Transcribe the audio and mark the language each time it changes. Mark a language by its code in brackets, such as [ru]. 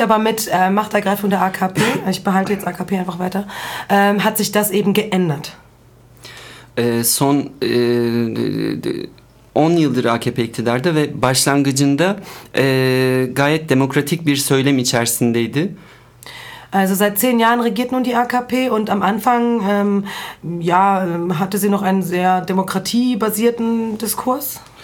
[de] Aber mit Machtergreifung der AKP, ich behalte jetzt AKP einfach weiter, hat sich das eben geändert. [tr] Son 10 yıldır AKP iktidarda ve başlangıcında gayet demokratik bir söylem içerisindeydi. [de] Also seit 10 Jahren regiert nun die AKP und am Anfang ja, hatte sie noch einen sehr demokratiebasierten Diskurs.